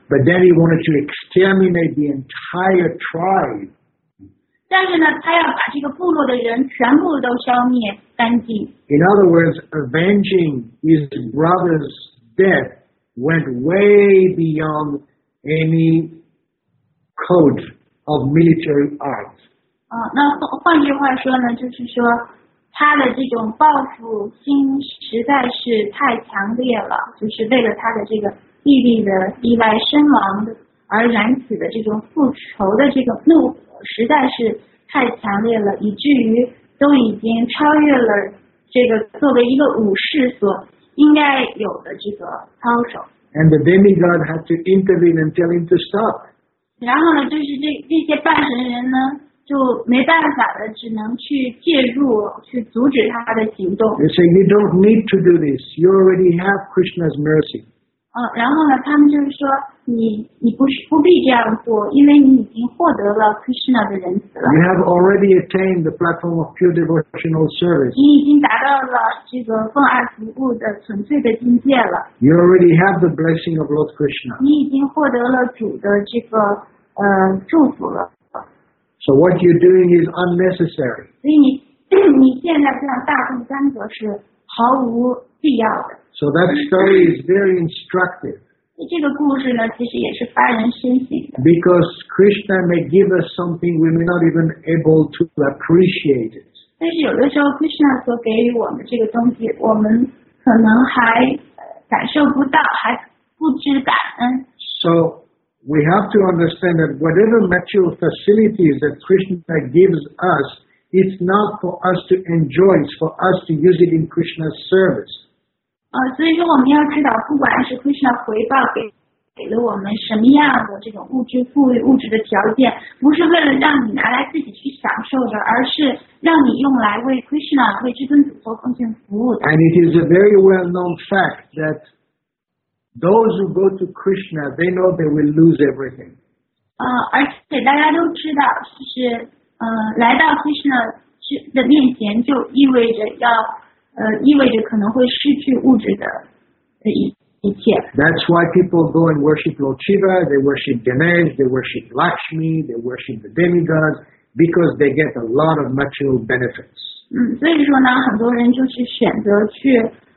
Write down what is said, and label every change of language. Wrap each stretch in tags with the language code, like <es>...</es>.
<en>But then he wanted to exterminate the entire tribe.</en> <zh>但是呢，他要把这个部落的人全部都消灭干净。</zh> <en>In other words, avenging his brother's death went way beyond any code of military art.</en> <zh>那换句话说呢，就是说，他的这种报复心实在是太强烈了，就是为了他的这个。弟弟的意外身亡而燃起的这种复仇的这个怒火实在是太强烈了，以至于都已经超越了这个作为一个武士所应该有的这个操守。And</zh> <en>the demigod had to intervene and tell him to stop.</en> <zh>然后呢，就是这些半神人呢，就没办法的，只能去介入，去阻止他的行动。</zh> <en>They say you don't need to do this. You already have Krishna's mercy.</en> <zh>然后呢，他们就是说你不必这样做，因为你已经获得了 Krishna 的仁慈了。</zh> <en>You have already attained the platform of pure devotional service.</en> <zh>你已经达到了这个奉爱服务的纯粹的境界了。</zh> <en>You already have the blessing of Lord Krishna.</en> <zh>你已经获得了主的这个祝福了。</zh> <en>So what you're doing is unnecessary.</en> <zh>所以你现在这样大动干戈是毫无必要的。</zh> <en>So that story is very instructive.</en> <zh>这个故事呢，其实也是发人深省的。</zh> <en>Because Krishna may give us something we may not even able to appreciate it.</en> <zh>但是有的时候 ，Krishna 所给予我们这个东西，我们可能还感受不到，还不知感恩。</zh> <en>So. We have to understand that whatever material facilities that Krishna gives us, it's not for us to enjoy, it's for us to use it in Krishna's service.</en> <zh>所以说我们要知道，不管是 Krishna 回报给了我们什么样的这种物质富裕、物质的条件，不是为了让你拿来自己去享受的，而是让你用来为 Krishna、为至尊主做奉献服务的。</zh> <en>And it is a very well-known fact that. Those who go to Krishna, they know they will lose everything.</en> <zh>而且大家都知道，就是来到 Krishna 的面前，就意味着可能会失去物质的一切。</zh> <en>That's why people go and worship Lord Shiva. They worship Ganesh. They worship Lakshmi. They worship the demigods because they get a lot of material benefits.</en> <zh>所以说呢，很多人就是选择去。</zh>